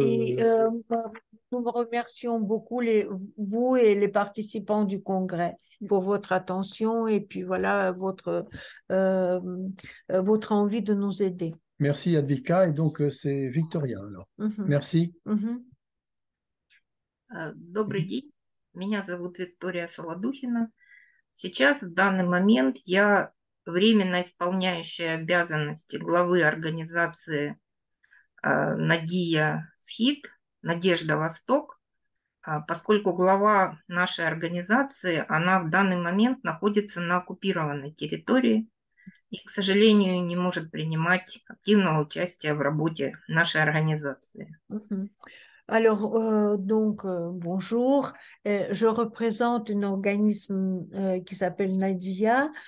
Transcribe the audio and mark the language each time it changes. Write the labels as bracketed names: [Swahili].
[French] Et nous remercions beaucoup vous et les participants du congrès pour votre attention et puis voilà votre envie de nous aider. Merci Advika et donc c'est Victoria alors. Merci. [Russian] Добрый день. Меня зовут Виктория Солодухина. Сейчас, в данный момент, я временно исполняющая обязанности главы организации Надия СХИД, Надежда Восток, поскольку глава нашей организации, она в данный момент находится на оккупированной территории и, к сожалению, не может принимать активного участия в работе нашей организации. [French] Alors, bonjour. Je représente un organisme qui s'appelle Nadia.